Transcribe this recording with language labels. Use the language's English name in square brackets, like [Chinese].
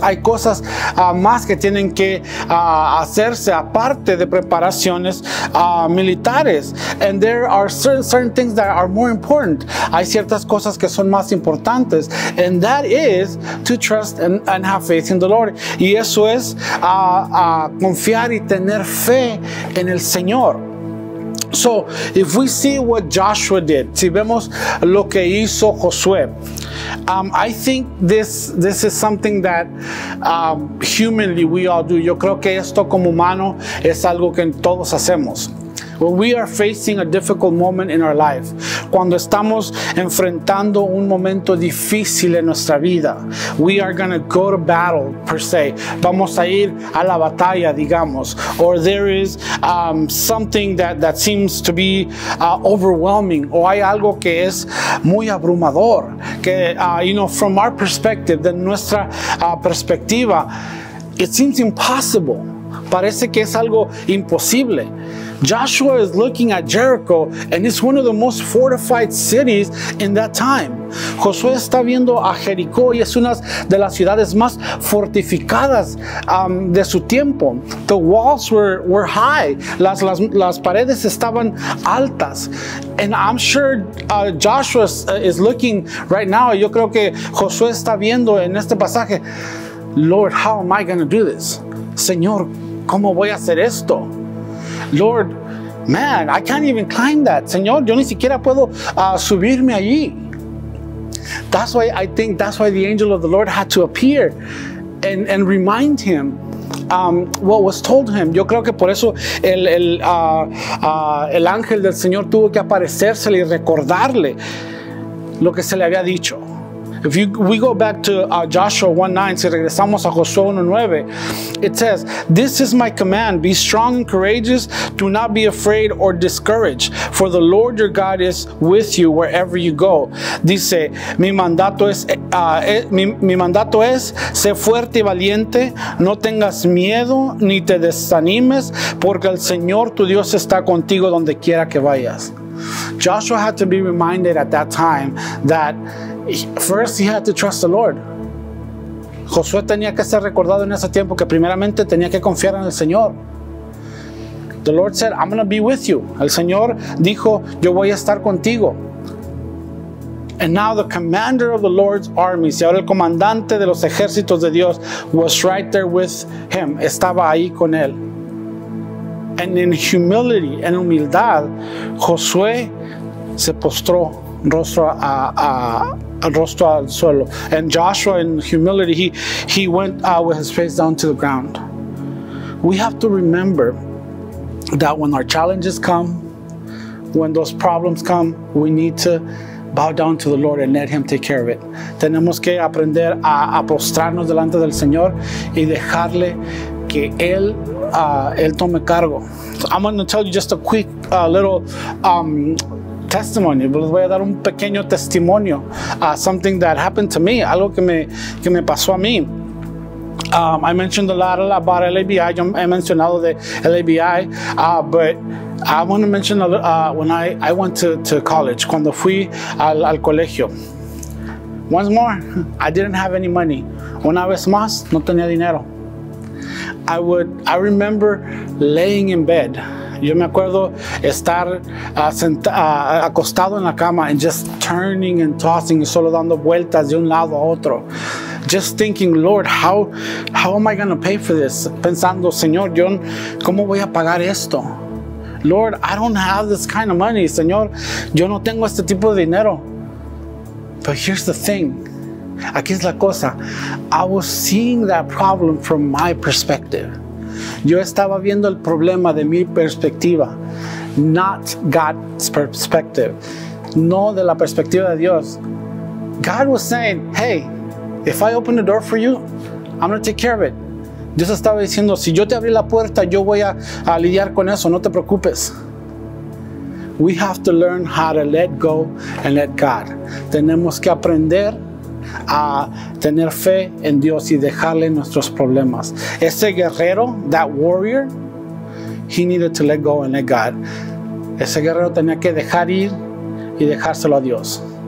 [Spanish] Hay cosas más que tienen que hacerse aparte de preparaciones militares. [English] And there are certain things that are more important. [Spanish] Hay ciertas cosas que son más importantes. [English] And that is to trust and have faith in the Lord. [Spanish] Y eso es confiar y tener fe en el Señor. [English] So, if we see what Joshua did, [Spanish] si vemos lo que hizo Josué, [English] I think this is something that humanly we all do. [Spanish] Yo creo que esto como humano es algo que todos hacemos. [English] When we are facing a difficult moment in our life, [Spanish] cuando estamos enfrentando un momento difícil en nuestra vida, [English] we are going to go to battle, per se. [Spanish] Vamos a ir a la batalla, digamos. [English] Or there is something that seems to be overwhelming. [Spanish] O hay algo que es muy abrumador. Que, [English] you know, from our perspective, [Spanish] de nuestra perspectiva, [English] it seems impossible. [Spanish] Parece que es algo imposible. [English] Joshua is looking at Jericho, and it's one of the most fortified cities in that time. [Spanish] Josué está viendo a Jericó y es una de las ciudades más fortificadas de su tiempo. [English] The walls were high. [Spanish] Las paredes estaban altas. [English] And I'm sure Joshua is looking right now. [Spanish] Yo creo que Josué está viendo en este pasaje, [English] Lord, how am I going to do this? [Spanish] Señor, ¿cómo voy a hacer esto? Lord, [English] Man, I can't even climb that. [Spanish] Señor, yo ni siquiera puedo subirme allí. [English] That's why I think that's why the angel of the Lord had to appear and remind him what was told him. [Spanish] Yo creo que por eso el ángel del Señor tuvo que aparecérsele y recordarle lo que se le había dicho. [English] If we go back to Joshua 1:9, [Spanish] si regresamos a Josué 1:9, [English] it says, "This is my command, be strong and courageous, do not be afraid or discouraged, for the Lord your God is with you wherever you go." [Spanish] Dice, mi mandato es, sé fuerte y valiente, no tengas miedo ni te desanimes, porque el Señor tu Dios está contigo donde quiera que vayas. [English] Joshua had to be reminded at that time that first he had to trust the Lord. [Spanish] Josué tenía que ser recordado en ese tiempo que primeramente tenía que confiar en el Señor. [English] The Lord said, "I'm going to be with you." [Spanish] El Señor dijo, "Yo voy a estar contigo." [English] And now the commander of the Lord's armies, [Spanish] y ahora el comandante de los ejércitos de Dios, [English] was right there with him. [Spanish] Estaba ahí con él. [English] And in humility, [Spanish] en humildad, Josué se postró rostro al suelo. [English] And Joshua, in humility, he went out with his face down to the ground. We have to remember that when our challenges come, when those problems come, we need to bow down to the Lord and let Him take care of it. [Spanish] Tenemos que aprender a postrarnos delante del Señor y dejarle que Él Él tome cargo. [English] So I'm going to tell you just a quick testimony. [Spanish] Les voy a dar un pequeño testimonio. [English] Something that happened to me. [Spanish] Algo que me pasó a mí. [English] I mentioned a lot about LABI. [Spanish] Yo he mencionado de LABI. [English] But I want to mention when I went to college. [Spanish] Cuando fui al colegio. [English] Once more, I didn't have any money. [Spanish] Una vez más, no tenía dinero. [English] I remember laying in bed. [Spanish] Yo me acuerdo estar acostado en la cama [English] and just turning and tossing, [Spanish] solo dando vueltas de un lado a otro. [English] Just thinking, "Lord, how am I going to pay for this?" [Spanish] Pensando, "Señor, yo, ¿cómo voy a pagar esto?" [English] "Lord, I don't have this kind of money." [Spanish] "Señor, yo no tengo este tipo de dinero." [English] But here's the thing. [Spanish] Aquí es la cosa. [English] I was seeing that problem from my perspective. [Spanish] Yo estaba viendo el problema de mi perspectiva. [English] Not God's perspective. [Spanish] No de la perspectiva de Dios. [English] God was saying, "Hey, if I open the door for you, I'm going to take care of it." [Spanish] Dios estaba diciendo, "Si yo te abrí la puerta, yo voy a lidiar con eso. No te preocupes." [English] We have to learn how to let go and let God. [Spanish] Tenemos que aprender a tener fe en Dios y dejarle nuestros problemas. Ese guerrero, [English] that warrior, he needed to let go and let God. [Spanish] Ese guerrero tenía que dejar ir y dejárselo a Dios.